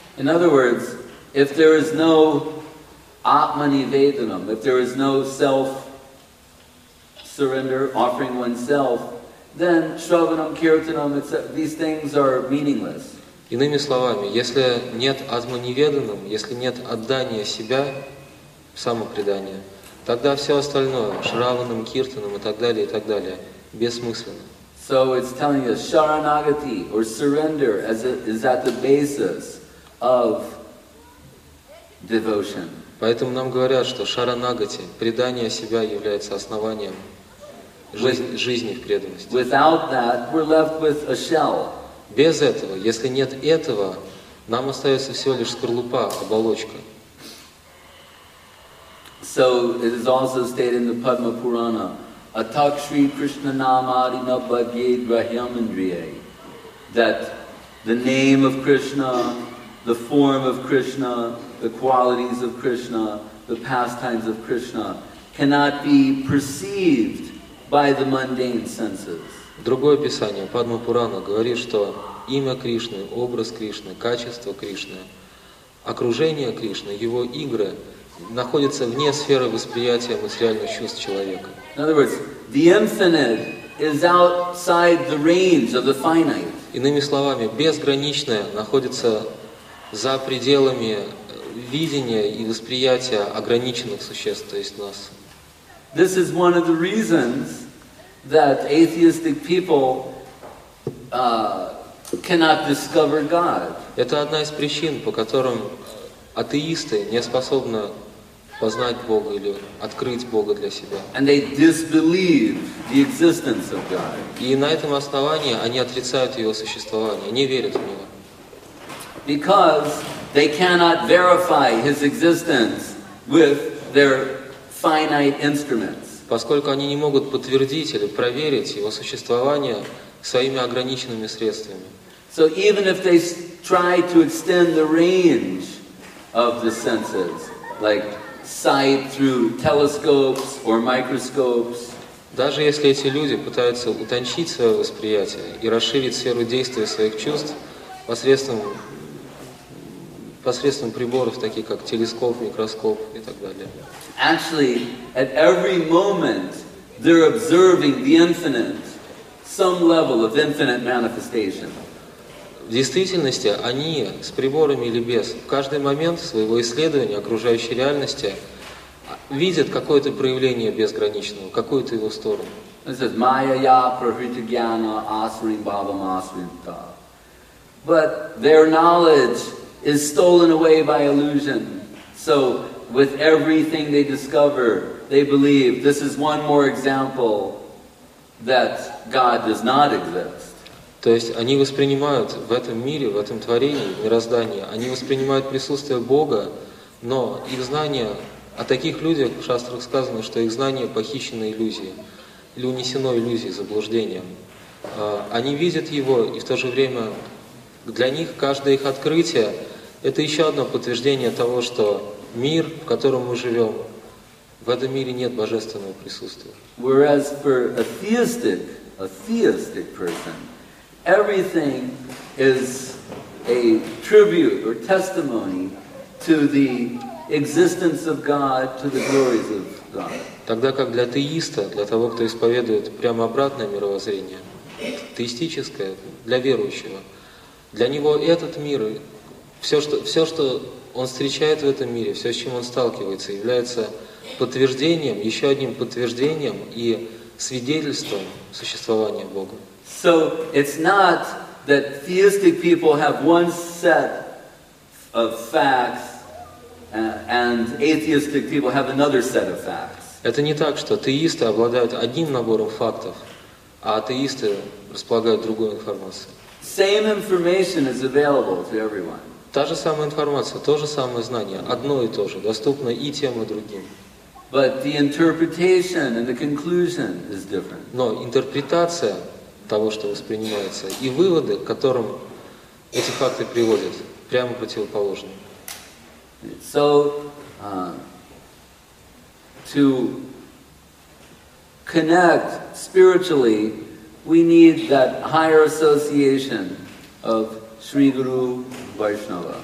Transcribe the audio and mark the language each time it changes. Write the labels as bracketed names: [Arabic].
[English] In other words, if there is no атма-неведанным, if there is no self-surrender, offering oneself, then shravanam, kirtanam, these things are meaningless. [Russian] Иными словами, если нет атма-неведанным, если нет отдания себя, самопредания, тогда все остальное, шраванам, киртанам и так далее, бессмысленно. [English] So it's telling us, sharanagati, or surrender, as it is at the basis of devotion. [Russian] Поэтому нам говорят, что шаранагати, предание себя, является основанием жизни в преданности. [English] Without that, we're left with a shell. [Russian] Без этого, если нет этого, нам остается всего лишь скорлупа, оболочка. [English] So it is also stated in the Padma Purana, Atak Shri Krishna Namadi Nabhagye Brahyamandriye, that the name of Krishna, the form of Krishna, the qualities of Krishna, the pastimes of Krishna cannot be perceived by the mundane senses. [Russian] Другое писание, Падма Пурана, говорит, что имя Кришны, образ Кришны, качество Кришны, окружение Кришны, его игры находятся вне сферы восприятия материальных чувств человека. [English] In other words, the infinite is outside the range of the finite. [Russian] Иными словами, безграничное находится за пределами видения и восприятия ограниченных существ, то есть нас. [English] This is one of the reasons that atheistic people cannot discover God. [Russian] Это одна из причин, по которым атеисты не способны познать Бога или открыть Бога для себя. [English] And they disbelieve the existence of God. [Russian] И на этом основании они отрицают его существование, не верят в него. [English] Because they cannot verify his existence with their finite instruments. [Russian] Поскольку они не могут подтвердить или проверить его существование своими ограниченными средствами. [English] So even if they try to extend the range of the senses, like sight through telescopes or microscopes, [Russian] даже если эти люди пытаются утончить свое восприятие и расширить сферу действия своих чувств посредством приборов, таких как телескоп, микроскоп и так далее. [English] Actually, at every moment, they're observing the infinite, some level of infinite manifestation. [Russian] В действительности, они с приборами или без, в каждый момент своего исследования окружающей реальности видят какое-то проявление безграничного, какую-то его сторону. [Sanskrit] This is Maya Prahritagyana Asrim Bhavam Asrim Ta. [English] But their knowledge is stolen away by illusion. So with everything they discover, they believe this is one more example that God does not exist. [Russian] То есть они воспринимают в этом мире, в этом творении, в мироздании, они воспринимают присутствие Бога, но их знания о таких людях, в шастрах сказано, что их знания похищены иллюзией, или унесено иллюзией, заблуждением. Они видят его, и в то же время для них каждое их открытие это еще одно подтверждение того, что мир, в котором мы живем, в этом мире нет божественного присутствия. [English] Whereas for a theistic a theistic person, everything is a tribute or testimony to the existence of God, to the glories of God. [Russian] Тогда как для атеиста, для того, кто исповедует прямо обратное мировоззрение, теистическое, для верующего, для него этот мир, все, что он встречает в этом мире, все, с чем он сталкивается, является подтверждением, еще одним подтверждением и свидетельством существования Бога. [English] So it's not that theistic people have one set of facts and atheistic people have another set of facts. [Russian] Это не так, что атеисты обладают одним набором фактов, а атеисты располагают другой информацией. [English] Same information is available to everyone. [Russian] Та же самая информация, то же самое знание, одно и то же, доступно и тем, и другим. [English] But the interpretation and the conclusion is different. [Russian] Но интерпретация того, что воспринимается, и выводы, к которым эти факты приводят, прямо противоположны. [English] So, to connect spiritually, we need that higher association of Sri Guru Vaishnava.